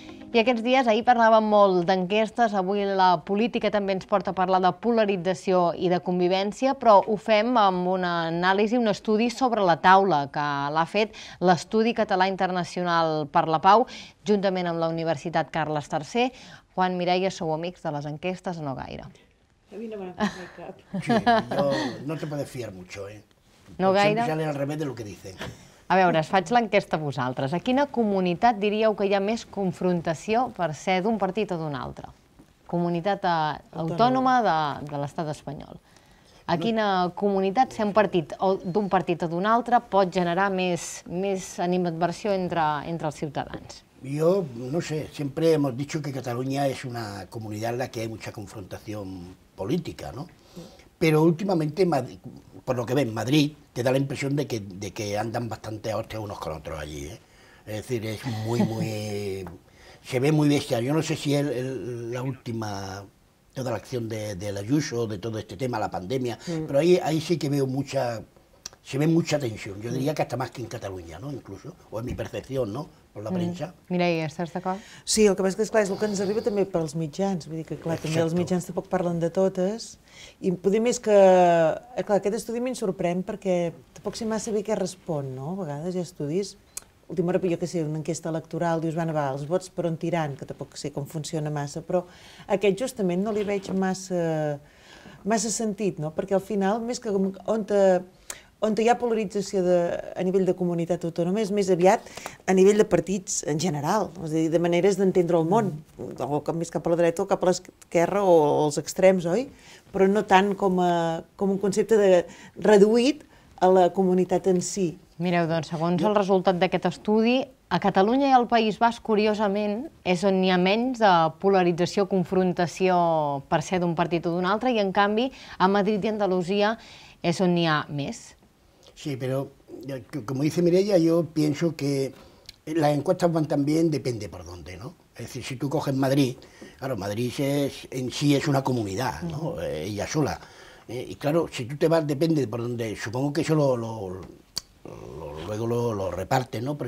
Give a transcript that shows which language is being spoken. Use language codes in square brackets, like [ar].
[ca] I aquests dies, ahir parlàvem molt d'enquestes, avui la política també ens porta a parlar de polarització i de convivència, però ho fem amb una anàlisi, un estudi sobre la taula que l'ha fet l'Estudi Català Internacional per la Pau, juntament amb la Universitat Carles III. Juan, Mireia, sou amics de les enquestes o no gaire? A mi no me n'ha posat cap. [es] Sí, no te puedes fiar mucho, [ca] No gaire? [es] Sempre sale al revés de lo que dicen. [ca] A veure, es faig l'enquesta a vosaltres. A quina comunitat diríeu que hi ha més confrontació per ser d'un partit o d'un altre? Comunitat autònoma de l'Estat espanyol. A quina comunitat ser un partit o d'un partit o d'un altre pot generar més animadversió entre els ciutadans? [es] Yo no sé, siempre hemos dicho que Cataluña es una comunidad en la que hay mucha confrontación política, ¿no? Pero últimamente, por lo que ves, Madrid te da la impresión de que andan bastante a hostias unos con otros allí, ¿eh? Es decir, es muy, muy... se ve muy bestia. Yo no sé si es la última... toda la acción de Ayuso, de todo este tema, la pandemia, pero ahí sí que veo mucha se ve mucha tensión, yo diría que hasta más que en Cataluña, ¿no? Incluso, o en mi percepción, ¿no? [ca] Per la premsa. Mireia, estàs d'acord? Sí, el que passa és clar, és el que ens arriba també pels mitjans, vull dir que clar, també els mitjans tampoc parlen de totes, i poder més que... Clar, aquest estudi m'hi sorprèn perquè tampoc sé massa bé què respon, no? A vegades hi ha estudis, l'última hora, jo què sé, una enquesta electoral, dius, bueno, va, els vots per on tiran, que tampoc sé com funciona massa, però aquest justament no li veig massa sentit, no? Perquè al final, més que on hi ha polarització a nivell de comunitat autònoma és més aviat a nivell de partits en general, és a dir, de maneres d'entendre el món, o més cap a la dreta o cap a l'esquerra o als extrems, oi? Però no tant com un concepte reduït a la comunitat en si. Mireu, doncs, segons el resultat d'aquest estudi, a Catalunya i al País Basc, curiosament, és on hi ha menys de polarització, confrontació per ser d'un partit o d'un altre, i en canvi, a Madrid i Andalusia és on hi ha més. [es] Sí, pero como dice Mireia, yo pienso que las encuestas van también, depende por dónde, ¿no? Es decir, si tú coges Madrid, claro, Madrid en sí es una comunidad, ¿no? Ella sola. Y claro, si tú te vas, depende por dónde, supongo que eso luego lo repartes, ¿no?